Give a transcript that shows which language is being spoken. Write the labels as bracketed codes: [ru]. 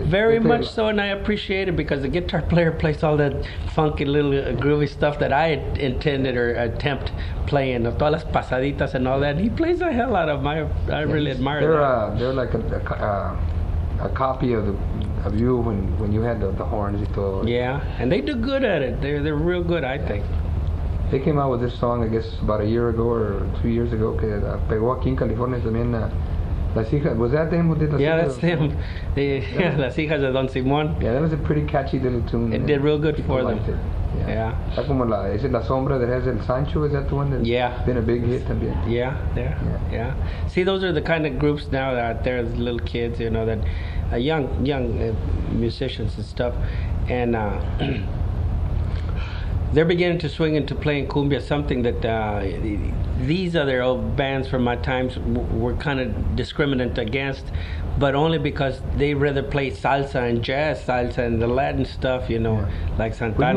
[en] very much so, and I appreciate it because the guitar player plays all that funky little groovy stuff that I intended or attempt playing, todas las pasaditas and all that. And he plays the hell out of my. I really admire they're that. They're like a copy of the. Of you when you had the horns. Yeah, and they do good at it. They're real good, I think. They came out with this song, I guess, about a year ago or 2 years ago. [es] Que pegó aquí en California también las hijas. [en] Was that them who did Las Hijas? Yeah, that's them. Las Hijas de Don Simón. Yeah, that was a pretty catchy little tune. It did real good for them. Yeah. [es] Está como la, ¿es la sombra that has el Sancho? [en] Is that the one that's been a big hit también? Yeah. See, those are the kind of groups now that are there, little kids, you know, that young musicians and stuff. And... they're beginning to swing into playing cumbia, something that these other old bands from my times were kind of discriminant against, but only because they rather play salsa and jazz, salsa and the Latin stuff, you know, like Santana.